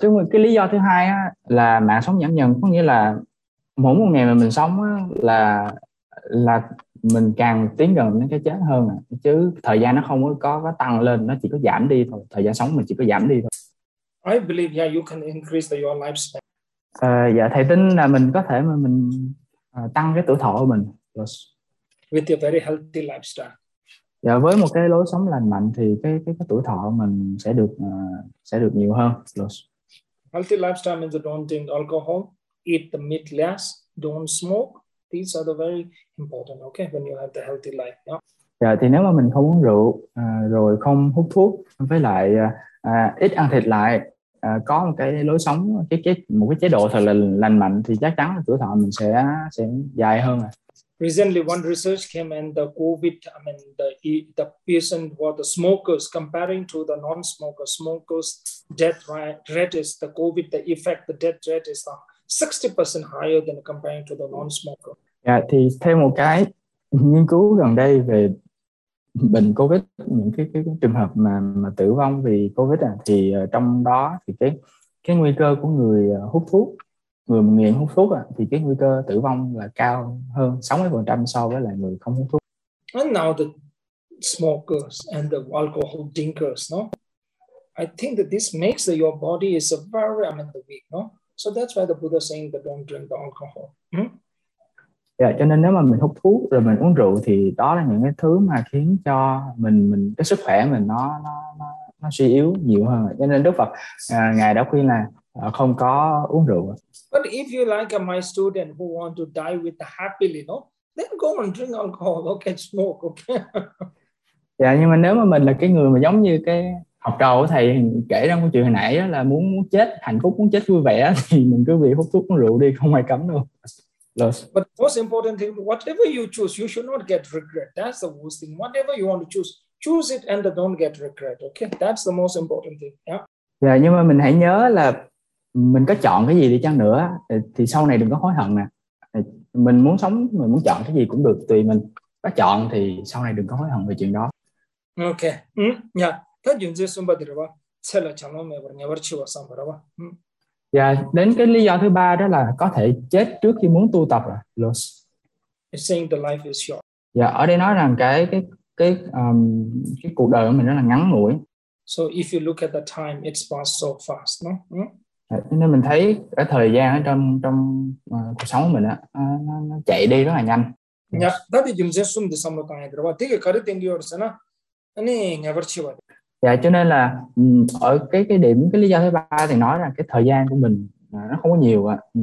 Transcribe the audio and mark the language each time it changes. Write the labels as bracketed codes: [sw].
[vi] Cái lý do thứ hai á, là mạng sóng giảm dần, có nghĩa là mỗi một ngày mà mình sống á, là mình càng tiến gần đến cái chết hơn à. Chứ thời gian nó không có tăng lên, nó chỉ có giảm đi thôi, thời gian sống mình chỉ có giảm đi thôi. [en] I believe yeah you can increase the, your lifespan. [vi] Dạ thầy tin là mình có thể mà mình tăng cái tuổi thọ của mình. [en] With your very healthy lifestyle. [vi] Dạ, với một cái lối sống lành mạnh thì cái tuổi thọ mình sẽ được nhiều hơn. [en] Healthy lifestyle means don't drink alcohol, eat the meat less, don't smoke. These are the very important, okay, when you have the healthy life. Yeah. [vi] Dạ, thì nếu mà mình không uống rượu, rồi không hút thuốc, với lại ít ăn thịt lại, có một cái lối sống một cái chế độ thật là lành mạnh, thì chắc chắn là tuổi thọ mình sẽ dài hơn à. [en] Recently, one research came in the COVID. I mean, the patient were the smokers comparing to the non-smokers. Smokers' death rate is the COVID, the effect, the death rate is 60% higher than comparing to the non-smoker. [vi] Thì thêm một cái nghiên cứu gần đây về bệnh COVID, những cái trường hợp mà tử vong vì COVID à, thì trong đó thì cái nguy cơ của người hút thuốc, người nghiện hút thuốc à, thì cái nguy cơ tử vong là cao hơn 60% so với lại người không hút thuốc. [en] And now the smokers and the alcohol drinkers, no? I think that this makes that your body is a very, I mean, the weak, no? So that's why the Buddha is saying that don't drink the alcohol. [vi] Cho nên nếu mà mình hút thuốc rồi mình uống rượu thì đó là những cái thứ mà khiến cho mình cái sức khỏe mình nó suy yếu nhiều hơn. Cho nên Đức Phật ngài đã khuyên là không có uống rượu. [en] But if you like my student who want to die with the happily, no? then go and drink alcohol, okay, smoke, okay. [vi] Dạ, nhưng mà nếu mà mình là cái người mà giống như cái học trò của thầy kể ra câu chuyện hồi nãy đó, là muốn muốn chết hạnh phúc, muốn chết vui vẻ, thì mình cứ bị hút thuốc uống rượu đi, không ai cấm đâu. Los. [en] But the most important thing, whatever you choose, you should not get regret. That's the worst thing. Whatever you want to choose, choose it and don't get regret. Okay, that's the most important thing. Yeah. [vi] Dạ, nhưng mà mình hãy nhớ là mình có chọn cái gì đi chăng nữa thì sau này đừng có hối hận nè. Mình muốn sống, mình muốn chọn cái gì cũng được, tùy mình. Có chọn thì sau này đừng có hối hận về chuyện đó. [en] Okay. Yeah. Tha jun je sum ba dir ba. Che la cha no me ba nyar chi wa sam ba ba. [vi] Dạ, đến cái lý do thứ ba đó là có thể chết trước khi muốn tu tập à. [en] It's saying the life is short. [vi] Dạ, ở đây nói rằng cái cuộc đời của mình rất là ngắn ngủi. [en] So if you look at the time, it's passed so fast, no? [vi] Nên mình thấy cái thời gian ở trong cuộc sống của mình đó, nó chạy đi rất là nhanh. Dạ, đó thì dùng dây xung để xong được cái đó. Thế cái cái tiền đi ở sân á, anh ấy nghe vẫn chưa. Dạ, cho nên là ở cái điểm, cái lý do thứ ba thì nói là cái thời gian của mình nó không có nhiều ạ.